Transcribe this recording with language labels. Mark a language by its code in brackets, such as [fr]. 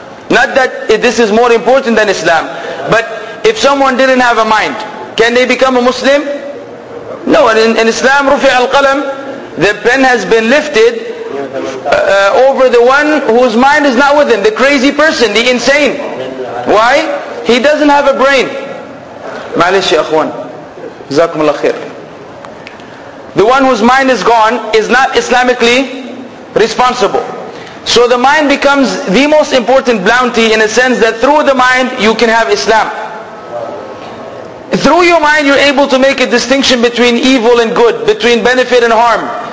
[en] Not that this is more important than Islam, but if someone didn't have a mind, can they become a Muslim? No. And in Islam, [ar] رفع القلم, [en] the pen has been lifted over the one whose mind is not with him, the crazy person, the insane. Why? He doesn't have a brain. [ar] معلش يا أخوان, جزاكم الله خير. [en] The one whose mind is gone is not Islamically responsible. So the mind becomes the most important bounty, in a sense that through the mind you can have Islam. through your mind you're able to make a distinction between evil and good, between benefit and harm.